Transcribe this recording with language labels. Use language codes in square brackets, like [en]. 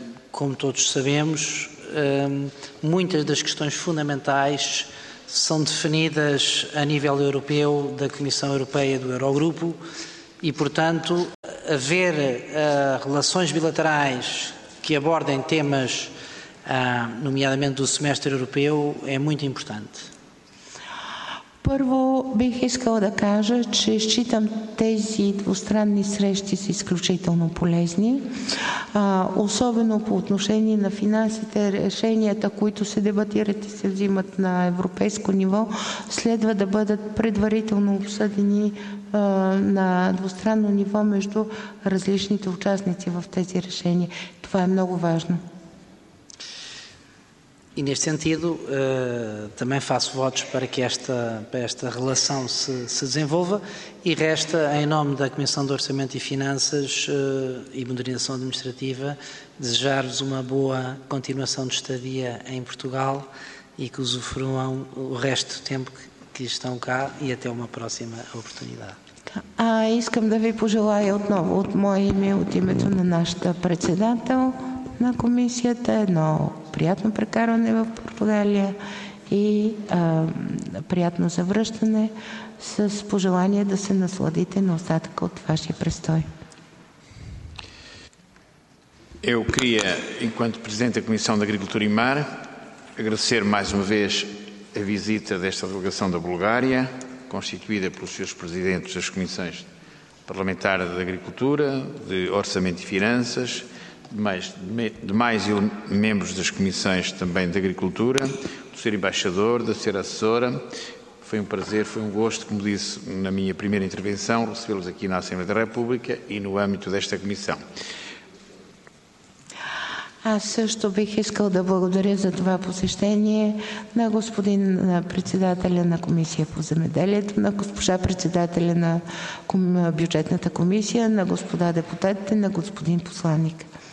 [pt] como todos sabemos, muitas das questões fundamentais são definidas a nível europeu, da Comissão Europeia, do Eurogrupo, e, portanto, haver relações bilaterais que abordem temas, nomeadamente do semestre europeu, é muito importante. [bg] Първо бих искала да кажа, че считам тези двустранни срещи са изключително полезни, особено по отношение на финансите, решенията, които се дебатират и се взимат на европейско ниво, следва да бъдат предварително обсъдени на двустранно ниво между различните участници в тези решения. Това е много важно. [pt] E, neste sentido, também faço votos para que esta relação se desenvolva e resta, em nome da Comissão de Orçamento e Finanças e Modernização Administrativa, desejar-vos uma boa continuação de estadia em Portugal e que usufruam o resto do tempo que estão cá e até uma próxima oportunidade. [bg] Искам да ви пожелая отново от мое име, от името на нашата председател на комисията, едно приятно прекарване в Португалия и приятно завръщане с пожелание да се насладите на остатъка от вашия престой. [pt] Eu queria, enquanto presidente da Comissão de Agricultura e Mar, agradecer mais uma vez a visita desta delegação da Bulgária, constituída pelos seus presidentes das Comissões Parlamentares de Agricultura, de Orçamento e Finanças, demais membros das comissões também de Agricultura, do ser embaixador, da ser assessora. Foi um prazer, foi um gosto, como disse na minha primeira intervenção, recebê-los aqui na Assembleia da República e no âmbito desta comissão. [bg] Аз също бих искал да благодаря за това посещение на господин председателя на Комисия по земеделието, на госпожа председателя на бюджетната комисия, на господа депутатите, на господин посланник.